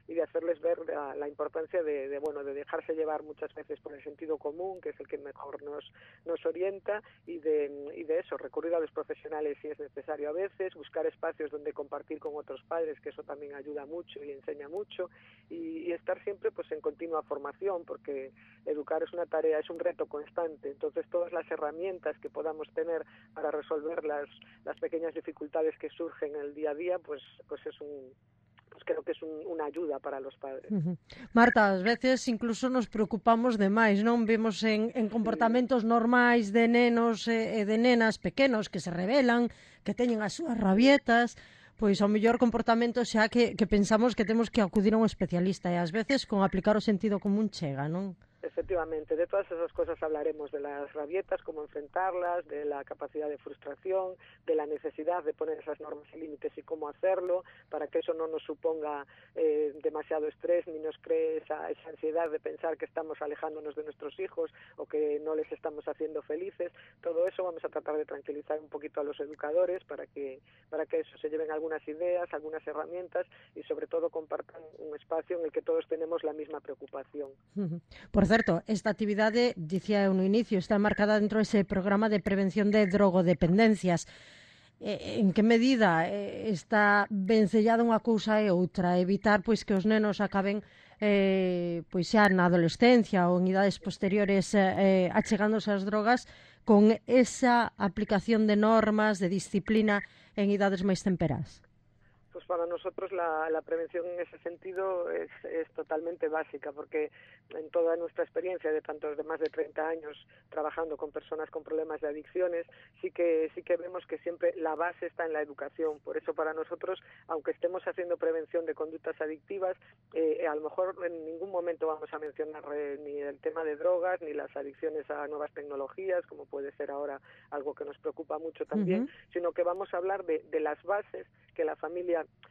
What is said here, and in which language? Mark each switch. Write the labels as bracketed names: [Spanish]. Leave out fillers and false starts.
[Spanish] hacerles ver la importancia de dejarse llevar muchas veces por el sentido común, que es el que mejor nos orienta, y de eso, recurrir a los profesionales si es necesario a veces, buscar espacios donde compartir con otros padres, que eso también ayuda mucho y enseña mucho, y estar siempre pues en continua formación, porque educar es una tarea, es un reto constante. Entonces, todas las herramientas que podamos tener para resolver las pequeñas dificultades que surgen en el día a día, pues es un pues creo que es una ayuda para los padres. [Galician] Marta, ás veces incluso nos preocupamos de máis, non? Vemos en comportamentos sí. Normais de nenos e de nenas pequenos que se rebelan, que teñen as súas rabietas, pois o mellor comportamento xa que pensamos que temos que acudir a un especialista, e ás veces con aplicar o sentido común chega, non? [Spanish] Efectivamente, de todas esas cosas hablaremos, de las rabietas, cómo enfrentarlas, de la capacidad de frustración, de la necesidad de poner esas normas y límites y cómo hacerlo para que eso no nos suponga demasiado estrés ni nos cree esa ansiedad de pensar que estamos alejándonos de nuestros hijos o que no les estamos haciendo felices. Todo eso vamos a tratar de tranquilizar un poquito a los educadores para que eso, se lleven algunas ideas, algunas herramientas y sobre todo compartan un espacio en el que todos tenemos la misma preocupación. [Galician] Por certo, esta actividade, dicía eu no inicio, está marcada dentro ese programa de prevención de drogodependencias. En que medida está ben sellada unha cousa e outra? Evitar pois que os nenos acaben pois xa na adolescencia ou en idades posteriores achegándose ás drogas con esa aplicación de normas, de disciplina en idades máis temperás? [Spanish] Pues para nosotros la prevención en ese sentido es totalmente básica, porque en toda nuestra experiencia de tantos de más de 30 años trabajando con personas con problemas de adicciones, sí que vemos que siempre la base está en la educación. Por eso para nosotros, aunque estemos haciendo prevención de conductas adictivas, a lo mejor en ningún momento vamos a mencionar ni el tema de drogas ni las adicciones a nuevas tecnologías, como puede ser ahora algo que nos preocupa mucho también, sino que vamos a hablar de las bases que la familia